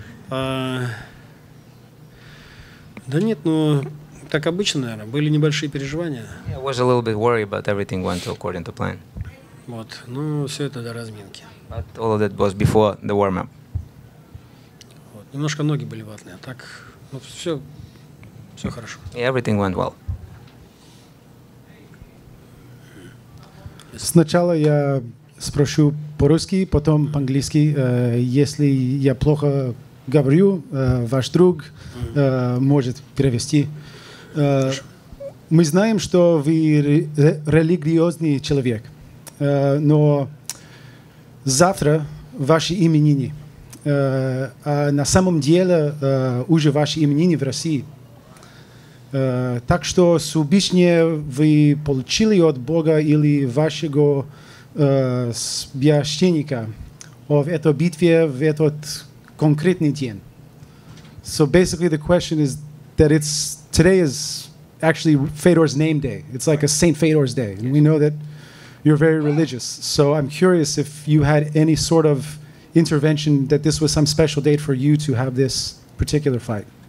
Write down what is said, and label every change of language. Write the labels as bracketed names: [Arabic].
[Russian] Да нет, ну как обычно, наверное, были небольшие переживания. [English] Yeah, I was a little bit worried, but everything went according to plan. [Russian] Вот, ну все это до разминки. [English] But all of that was before the warm-up. [Russian] Вот, немножко ноги были ватные, а так, ну все Все хорошо. [English] Everything went well. [Russian] Сначала я спрошу по-русски, потом по-английски. Если я плохо говорю, ваш друг может перевести. Мы знаем, что вы религиозный человек, но завтра ваши именины, а на самом деле уже ваши именины в России. Так что с обычнее вы получили от Бога или вашего священника в этой битве, в этот конкретный день. [English] So basically the question is that it's today is actually Fedor's name day. It's like a Saint Fedor's day. And we know that you're very religious. So I'm curious if you had any sort of intervention that this was some special date for you to have this particular fight.